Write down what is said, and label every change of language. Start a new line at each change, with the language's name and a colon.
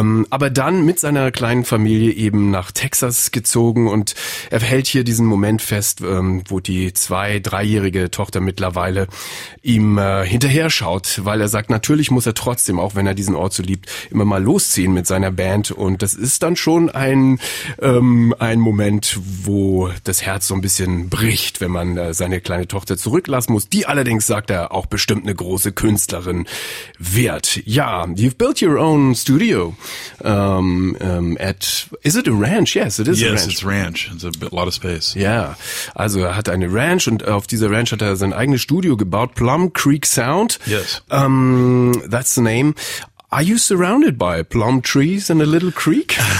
German: Aber dann mit seiner kleinen Familie eben nach Texas gezogen, und er hält hier diesen Moment fest, wo die 2-3-jährige Tochter mittlerweile ihm hinterher schaut, weil er sagt, natürlich muss er trotzdem, auch wenn er diesen Ort so liebt, immer mal losziehen mit seiner Band. Und das ist dann schon ein Moment, wo das Herz so ein bisschen bricht, wenn man seine kleine Tochter zurücklassen muss, die allerdings, sagt er, auch bestimmt eine große Künstlerin wird.
English: Ja, you've built your own studio is it a ranch? Yes, it is a ranch. Yes, it's ranch. A lot of space. Yeah.
German: Also er hat eine Ranch, und auf dieser Ranch hat er sein eigenes Studio gebaut, Plum Creek Sound.
English: Yes. That's the name. Are you surrounded by plum trees and a little creek?